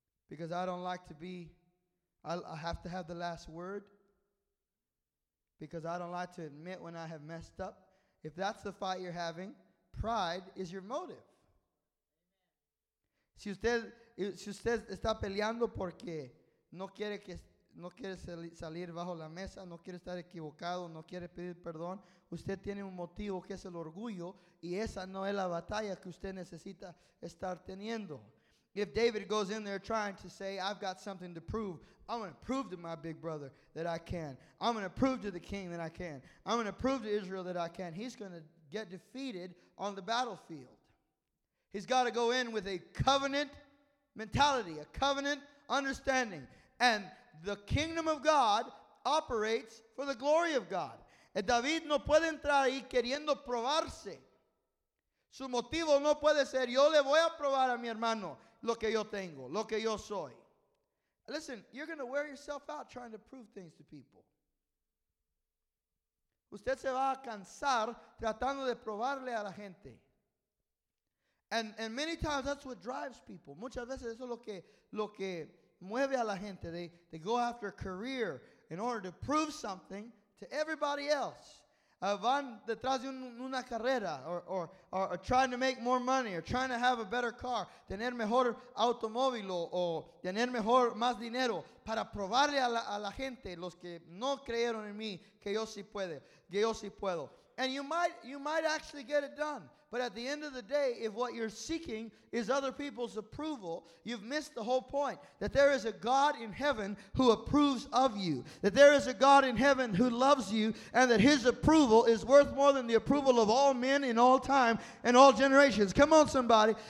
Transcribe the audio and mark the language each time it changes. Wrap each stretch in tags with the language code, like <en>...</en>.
<en>Because I don't like to be, I have to have the last word? Because I don't like to admit when I have messed up? If that's the fight you're having, pride is your motive.</en> <es>Si usted está peleando porque no quiere que no quiere salir bajo la mesa, no quiere estar equivocado, no quiere pedir perdón, usted tiene un motivo que es el orgullo, y esa no es la batalla que usted necesita estar teniendo.</es> <en>If David goes in there trying to say, I've got something to prove, I'm going to prove to my big brother that I can. I'm going to prove to the king that I can. I'm going to prove to Israel that I can. He's going to get defeated on the battlefield. He's got to go in with a covenant mentality, a covenant understanding. And the kingdom of God operates for the glory of God.</en> <es>El David no puede entrar ahí queriendo probarse. Su motivo no puede ser, yo le voy a probar a mi hermano lo que yo tengo, lo que yo soy.</es> <en>Listen, you're going to wear yourself out trying to prove things to people.</en> <es>Usted se va a cansar tratando de probarle a la gente.</es> <en>And many times that's what drives people.</en> <es>Muchas veces eso es lo que mueve a la gente.</es> <en>They go after a career in order to prove something to everybody else.</en> <es>Van detrás de una carrera</es> <en>or trying to make more money or trying to have a better car,</en> <es>tener mejor automóvil o tener mejor más dinero para probarle a la gente, los que no creyeron en mí, que yo sí puedo.</es> <en>And you might actually get it done. But at the end of the day, if what you're seeking is other people's approval, you've missed the whole point. That there is a God in heaven who approves of you. That there is a God in heaven who loves you, and that his approval is worth more than the approval of all men in all time and all generations. Come on, somebody.</en>